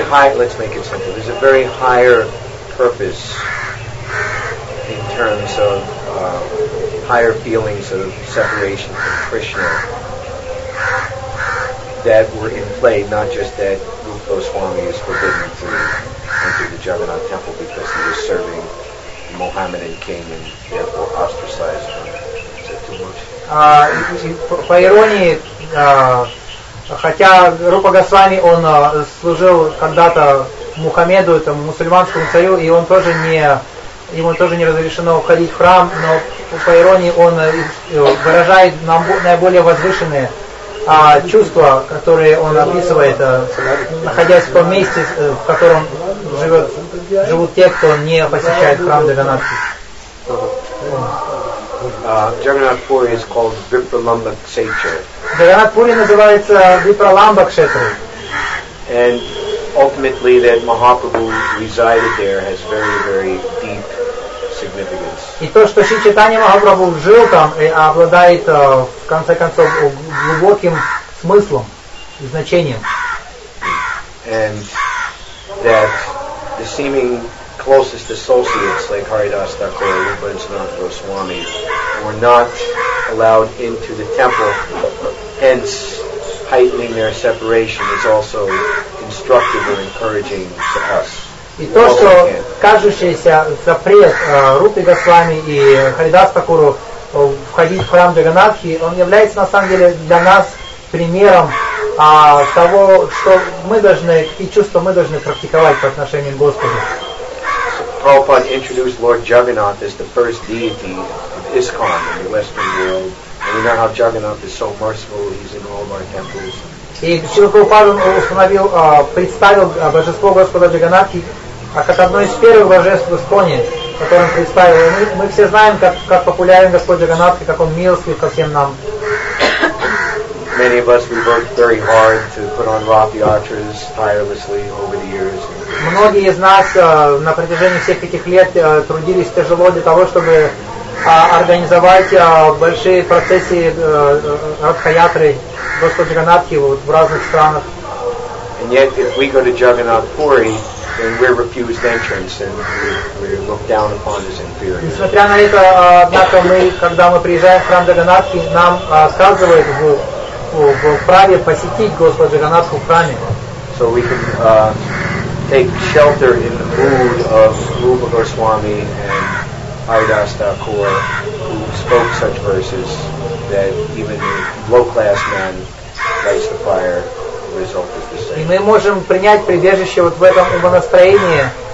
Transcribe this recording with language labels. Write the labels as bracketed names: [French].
[English] There's a very higher purpose in terms of higher feelings of separation from Krishna that were in play, not just that Rupa Goswami is forbidden to enter the Jagannath temple because he was serving the Mohammedan king and therefore ostracized from it. Is that too much? [Russian] По иронии, хотя Рупа Госвами, он служил когда-то Мухаммеду, этому мусульманскому царю, и он тоже не, ему тоже не разрешено входить в храм, но по иронии он выражает наиболее возвышенные чувства, которые он описывает, находясь в том месте, в котором живут те, кто не посещает храм Джаганатхи. [English] Jagannath Puri is called Vipralambakshetra. [Russian] Jagannath Puri называется Vipralambakshetra. [English] And ultimately that Mahaprabhu resided there has very, very deep significance. [Russian] И то, что Шри Чайтанья Махапрабху жил там, обладает, в конце концов, глубоким смыслом и значением. [English] And that the seeming closest associates like Haridas Thakur, Rupa and Sanatana Goswami were not allowed into the temple, hence heightening their separation is also instructive or encouraging to us. [Russian] И то, что кажущийся запрет Рупы Госвами и Харидас Такуру входить в храм Джаганатхи, он является на самом деле для нас примером того, что мы должны, и чувства мы должны практиковать по отношению к Господу. [English] Prabhupada introduced Lord Jagannath as the first deity of ISKCON in the Western world. And we know how Jagannath is so merciful, he's in all of our temples. [Russian] И Шрила Прабхупада установил, представил божество Господа Джаганатхи как одно из первых божеств в Исконе, которым представил. И мы все знаем, как популярен Господь Джаганатхи, как он милостив ко всем нам. [English] Many of us, we worked very hard to put on Rath Yatras tirelessly over the years. [Russian] Многие из нас на протяжении всех этих лет трудились тяжело для того, чтобы организовать большие процессии Ратха Ятры Господа Джаганатхи в разных странах. [English] And yet, if we go to Jagannath Puri, then we're refused entrance and we're looked down upon as inferior. [Russian] Несмотря на это, однако, мы, когда мы приезжаем в храм Джаганатхи, нам сказывают в праве посетить Господа Джаганатху в храме. [English] So we can take shelter in the mood of Rupa Goswami and Haridas Thakur, who spoke such verses that even a low-class man lights the fire, the result is the same. [Russian] И мы можем принять прибежище вот в этом умонастроении,